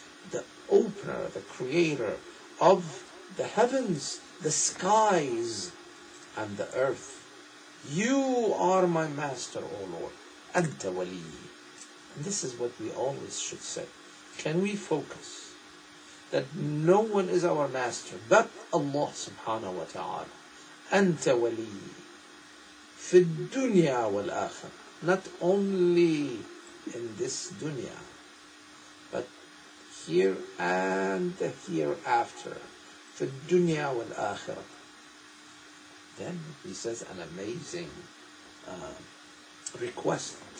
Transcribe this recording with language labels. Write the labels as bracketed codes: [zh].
[en] The opener, the creator of the heavens, the skies, and the earth. You are my master, O Lord. [ar] أنت ولي. [en] And this is what we always should say. Can we focus that no one is our master but Allah subhanahu wa ta'ala? [ar] أنت ولي في الدنيا والآخر. [en] Not only in this dunya, but here and the hereafter. [ar] في الدنيا والآخرة. [en] Then he says an amazing request.